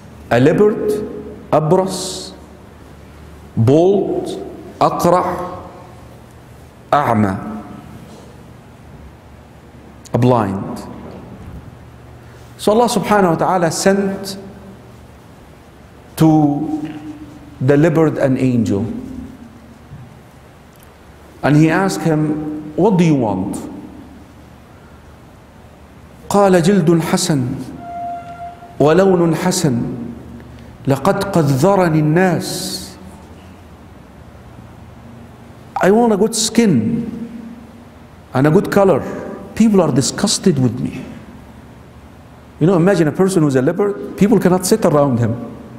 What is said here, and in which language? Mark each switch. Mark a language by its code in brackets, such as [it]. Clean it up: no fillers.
[en] A leopard, abras, bold, aqra, a'ma, a blind. So Allah subhanahu wa ta'ala sent to the leopard an angel. And he asked him, what do you want? [ar] قال جلد حسن ولون حسن لقد قذرني الناس. [en] I want a good skin and a good color. People are disgusted with me. You know, imagine a person who's a leper, people cannot sit around him.